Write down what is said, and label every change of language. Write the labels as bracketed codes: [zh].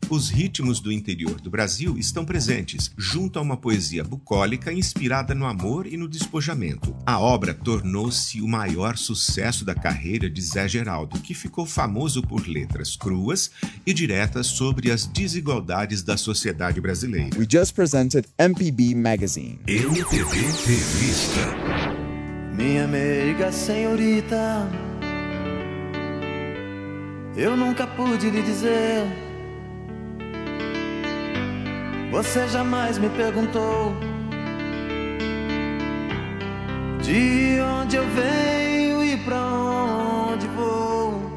[pt] Os ritmos do interior do Brasil estão presentes, junto a uma poesia bucólica inspirada no amor e no despojamento. A obra tornou-se o maior sucesso da carreira de Zé José Geraldo, que ficou famoso por letras cruas e diretas sobre as desigualdades da sociedade brasileira. [en] We just presented MPB Magazine. [pt] MPB Revista. Minha amiga senhorita, eu nunca pude lhe dizer. Você jamais me perguntou de onde eu venho e pra onde vou.